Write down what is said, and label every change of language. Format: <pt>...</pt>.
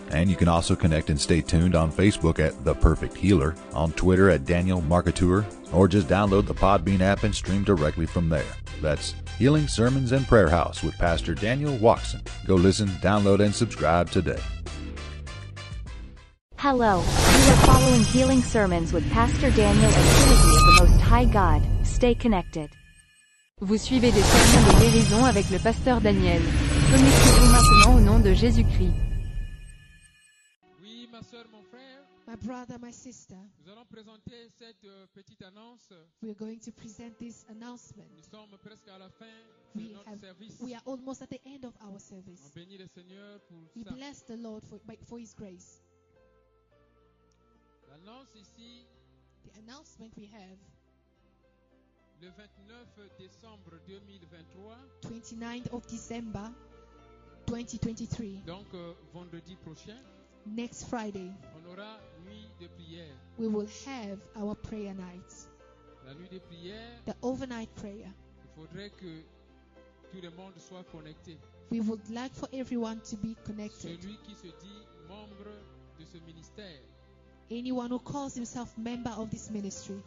<en>And you can also connect and stay tuned on Facebook at The Perfect Healer, on Twitter at Daniel Marketeur, or just download the Podbean app and stream directly from there. That's Healing Sermons and Prayer House with Pastor Daniel Watson. Go listen, download, and subscribe today. Hello, you are following Healing Sermons with Pastor Daniel and Trinity of the Most High God. Stay connected.</en> <fr>Vous suivez des sermons de guérison avec le pasteur Daniel. Connectez-vous maintenant au nom de Jésus-Christ. Oui, ma soeur, mon frère.</fr> <en>My brother, my sister.</en> <fr>Nous allons présenter cette petite annonce.</fr> <en>We are going to present this announcement.</en> <fr>Nous sommes presque à la fin service.</fr> <en>We are almost at the end of our service.</en> <fr>On bénit le Seigneur pour</fr> <en>ça. We bless the Lord for His grace.</en> <fr>L'annonce ici.</fr> <en>The announcement we have.</en> <fr>Le 29 décembre 2023.</fr> <en>29th of December 2023.</en> <fr>Donc vendredi prochain.</fr> <en>Next Friday.</en> <fr>On aura nuit de prière.</fr> <en>We will have our prayer night.</en> <fr>La nuit de prière.</fr> <en>The overnight prayer.</en> <fr>Il faudrait que tout le monde soit connecté.</fr> <en>We would like for everyone to be connected.</en> <fr>Celui qui se dit membre de ce ministère.</fr> <en>Anyone who calls himself member of this ministry.</en>